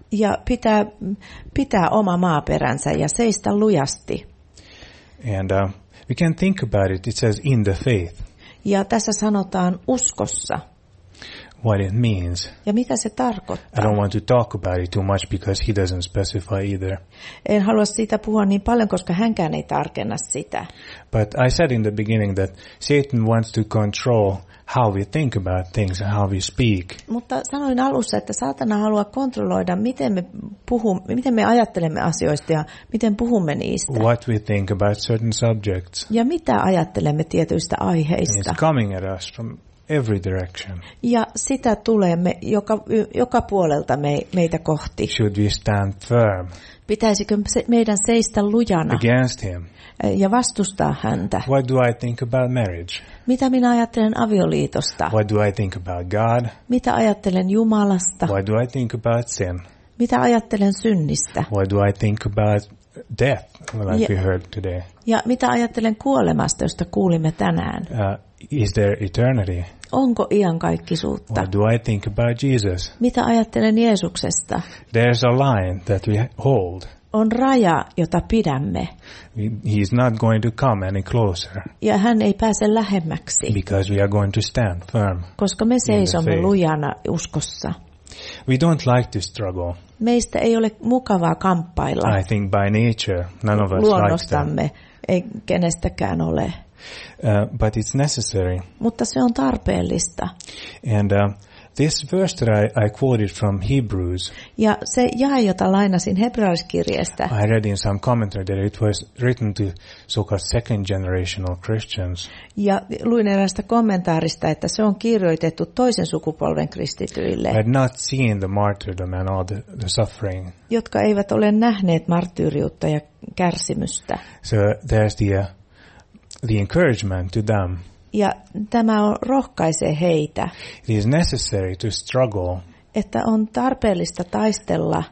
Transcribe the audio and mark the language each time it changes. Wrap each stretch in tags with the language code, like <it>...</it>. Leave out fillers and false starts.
<fi>Ja pitää oma maaperänsä ja seistä lujasti.</fi> <en>And we can think about it. It says in the faith.</en> <fi>Ja tässä sanotaan uskossa.</fi> <en>What it means.</en> <fi>Ja mitä se tarkoittaa.</fi> <en>I don't want to talk about it too much because he doesn't specify either.</en> <fi>En halua siitä puhua niin paljon, koska hänkään ei tarkenna sitä.</fi> <en>But I said in the beginning that Satan wants to control how we think about things and how we speak.</en> <fi>Mutta sanoin alussa, että saatana haluaa kontrolloida, miten me ajattelemme asioista ja miten puhumme niistä.</fi> <en>What we think about certain subjects.</en> <fi>Ja mitä ajattelemme tietyistä aiheista.</fi> <en>It's coming at us from every direction.</en> <fi>Ja sitä tulee joka puolelta meitä kohti.</fi> <en>Should we stand firm?</en> <fi>Pitäisikö meidän seistä lujana?</fi> <en>Against him.</en> <fi>Ja vastustaa häntä.</fi> <en>What do I think about marriage?</en> <fi>Mitä minä ajattelen avioliitosta?</fi> <en>What do I think about God?</en> <fi>Mitä ajattelen Jumalasta?</fi> <en>What do I think about sin?</en> <fi>Mitä ajattelen synnistä?</fi> <en>What do I think about death, like we heard today?</en> <fi>Ja mitä ajattelen kuolemasta, josta kuulimme tänään?</fi> <en>Is there eternity?</en> <fi>Onko iankaikkisuutta?</fi> <en>What do I think about Jesus?</en> <fi>Mitä ajattelen Jeesuksesta?</fi> <en>There's a line that we hold.</en> <fi>On raja, jota pidämme.</fi> <en>He's not going to come any closer.</en> <fi>Ja hän ei pääse lähemmäksi.</fi> <en>Because we are going to stand firm.</en> <fi>Koska me seisomme lujana uskossa.</fi> <en>We don't like to struggle.</en> <fi>Meistä ei ole mukavaa kamppailla.</fi> <en>I think by nature, none of us like that.</en> <fi>Luonnostamme ei kenestäkään ole.</fi> <en>But it's necessary.</en> <fi>Mutta se on tarpeellista.</fi> <en>And this verse that I quoted from Hebrews.</en> <fi>Ja se jae, jota lainasin hebraiskirjeestä.</fi> <en>I read in some commentary that it was written to so-called second generational Christians.</en> <fi>Ja luin eräästä kommentaarista, että se on kirjoitettu toisen sukupolven kristityille.</fi> <en>I had not seen the martyrdom and all the suffering.</en> <fi>Jotka eivät ole nähneet marttyyriutta ja kärsimystä.</fi> <en>So there's the encouragement to them.</en> <fi>Ja tämä on rohkaisee heitä.</fi> <en>It is necessary to struggle.</en> <fi>Että on tarpeellista taistella.</fi>